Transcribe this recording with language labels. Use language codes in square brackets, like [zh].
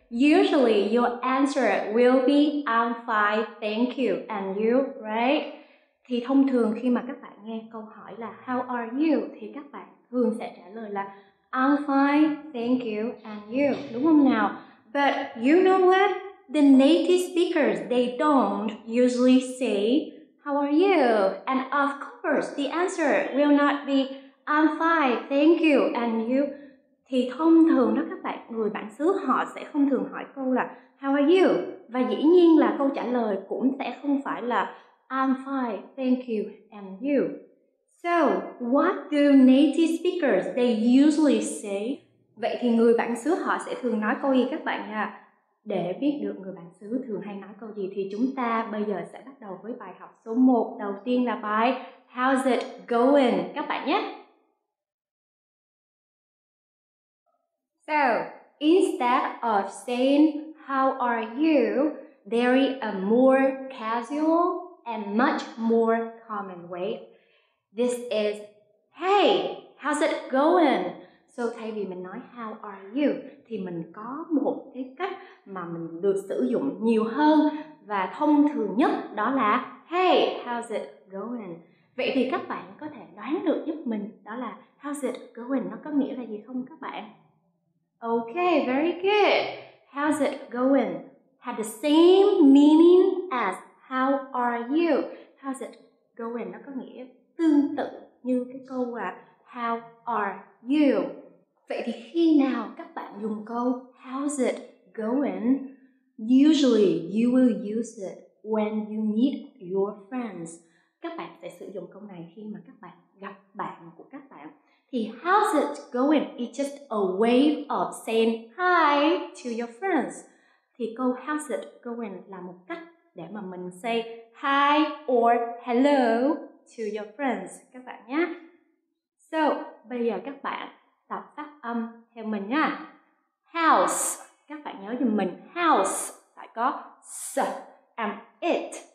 [en] Usually your answer will be I'm fine, thank you, and you, right? [vi] Thì thông thường khi mà các bạn nghe câu hỏi là [en] how are you [vi] thì các bạn thường sẽ trả lời là [en] I'm fine, thank you, and you, [vi] đúng không nào? [en] But you know what? The native speakers, they don't usually say how are you? And of course, the answer will not be I'm fine, thank you, and you. [vi] Thì thông thường đó các bạn, người bản xứ họ sẽ không thường hỏi câu là [en] how are you? [vi] Và dĩ nhiên là câu trả lời cũng sẽ không phải là [en] I'm fine, thank you, and you. So, what do native speakers, they usually say? [vi] Vậy thì người bản xứ họ sẽ thường nói câu gì các bạn nha? Để biết được người bản xứ thường hay nói câu gì thì chúng ta bây giờ sẽ bắt đầu với bài học số 1. Đầu tiên là bài [en] How's it going? [vi] Các bạn nhé! [en] So, instead of saying how are you, there is a more casual and much more common way. This is, hey, how's it going? [vi] So, thay vì mình nói [en] how are you, [vi] thì mình có một cái cách mà mình được sử dụng nhiều hơn và thông thường nhất đó là [en] hey, how's it going? [vi] Vậy thì các bạn có thể đoán được giúp mình đó là [en] how's it going [vi] nó có nghĩa là gì không các bạn? [en] Okay, very good. How's it going? Had the same meaning as how are you? How's it going? [vi] Nó có nghĩa tương tự như cái câu là [en] how are you? [vi] Vậy thì khi nào các bạn dùng câu [en] how's it going? Usually you will use it when you meet your friends. [vi] Các bạn sẽ sử dụng câu này khi mà các bạn gặp bạn của các bạn. [en] Thì how's it going? It's just a way of saying hi to your friends. [vi] Thì câu [en] how's it going [vi] là một cách để mà mình [en] say hi or hello to your friends [vi] các bạn nhé. So, bây giờ các bạn tập phát âm theo mình nha. [en] House, [vi] các bạn nhớ giùm mình [en] house [vi] phải có s [en] and it.